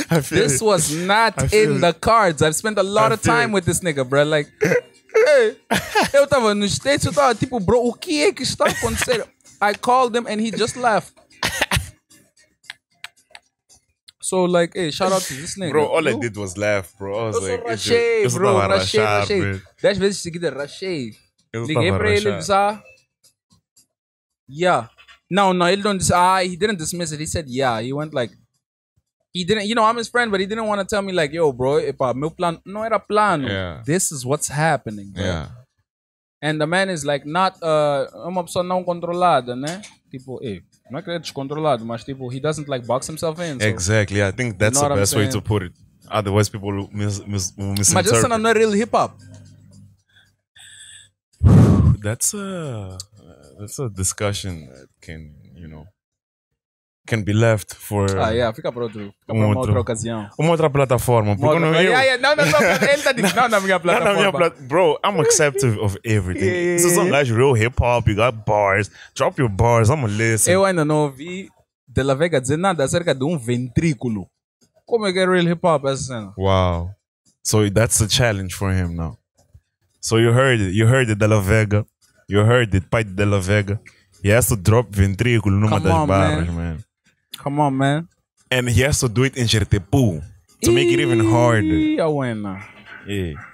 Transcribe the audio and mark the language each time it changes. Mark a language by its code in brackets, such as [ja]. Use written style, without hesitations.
[en] This was not in the cards. I've spent a lot of time with this nigga, bro. Like, [pt] Eu tava no States, eu tava tipo, bro, o que é que está acontecendo? [en] I called him and he just left. So, like, hey, shout out to this nigga. Bro, all I did was laugh, bro. I was [pt] eu [en] like, [pt] Rachei, bro, eu tava Rachei. 10 vezes seguida, Rachei. Liguei pra ele, bizarro. Yeah. [en] No, ele don't he didn't dismiss it. He said, yeah. He went like, he didn't, you know, I'm his friend, but he didn't want to tell me, like, yo, bro, [pt] epa, meu plano, não era plano. [en] Yeah. This is what's happening, bro. Yeah. And the man is like, not, [pt] uma pessoa não controlada, né? Tipo, ei. Não é que ele é descontrolado, mas tipo, [en] he doesn't like box himself in. So exactly, I think that's the best way to put it. Otherwise, people will misinterpret. [pt] Mas isso não é real hip hop. [en] That's a discussion that can, you know, can be left for. [pt] Ah, yeah, fica para outro. Fica para uma outra ocasião. Uma outra plataforma. Porque não é. Não, na minha plataforma. [en] Bro, I'm acceptive of everything. This is not like real hip hop. You got bars. Drop your bars. I'm going to listen. [pt] Eu ainda não ouvi De La Vega dizer nada acerca de ventrículo. Como é que é real hip hop essa cena? [en] Wow. So that's the challenge for him now. So you heard it. You heard it, De La Vega. You heard it, Pai De La Vega. He has to drop ventrículo [pt] numa das barras, [en] man. Come on, man. And he has to do it in Jertepu. To make it even harder. Yeah.